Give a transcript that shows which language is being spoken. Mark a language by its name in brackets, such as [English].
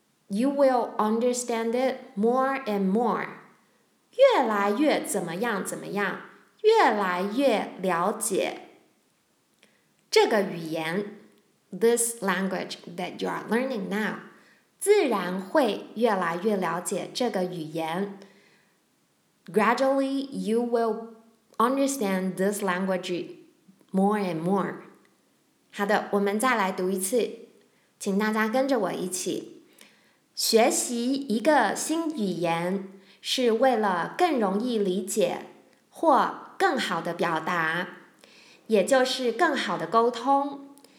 [English] You will understand it more and more. [Chinese] 越来越怎么样怎么样，越来越了解这个语言， [English] This language that you are learning now. [Chinese] 自然会越来越了解这个语言。 [English] Gradually, you will understand this language more and more. [Chinese] 好的，我们再来读一次，请大家跟着我一起。学习一个新语言是为了更容易理解或更好的表达，也就是更好的沟通。